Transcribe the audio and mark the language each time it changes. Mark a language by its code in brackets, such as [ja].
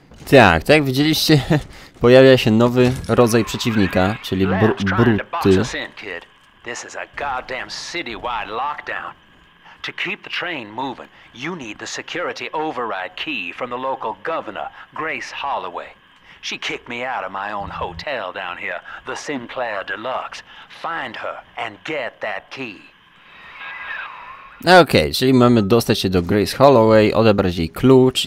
[pl] Tak, tak jak widzieliście, pojawia się nowy rodzaj przeciwnika, czyli bruty. [en] This is a goddamn city-wide lockdown. To keep the train moving, you need the security override key from the local governor, Grace Holloway. She kicked me out of my own hotel down here, the Sinclair Deluxe. Find her and get that key. [pl] Okej, okay, czyli mamy dostać się do Grace Holloway, odebrać jej klucz.